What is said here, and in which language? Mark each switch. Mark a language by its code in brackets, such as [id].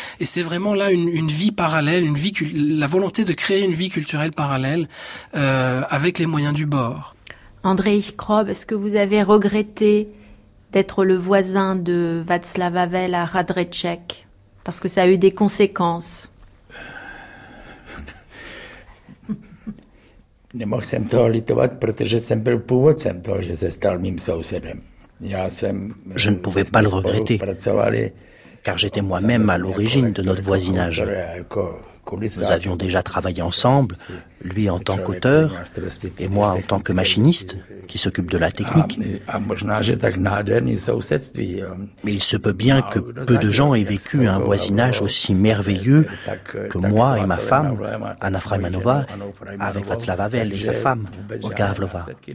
[fr] Et c'est vraiment là une vie parallèle, une vie la volonté de créer une vie culturelle parallèle avec les moyens du bord. André Ichkrob, est-ce que vous avez regretté d'être le voisin de Václav Havel à Radrecek? Parce que ça a eu des conséquences. [cs] Nemohl jsem toho litovat, protože jsem byl původcem toho, že se stal mým sousedem. [fr] Je ne pouvais pas le regretter, car j'étais moi-même à l'origine de notre voisinage. Nous avions déjà travaillé ensemble, lui en tant qu'auteur et moi en tant que machiniste qui s'occupe de la technique. Mais il se peut bien que peu de gens aient vécu un voisinage aussi merveilleux que moi et ma femme, Anna Fraimanova, avec Václav Havel et sa femme, Olga Havlova.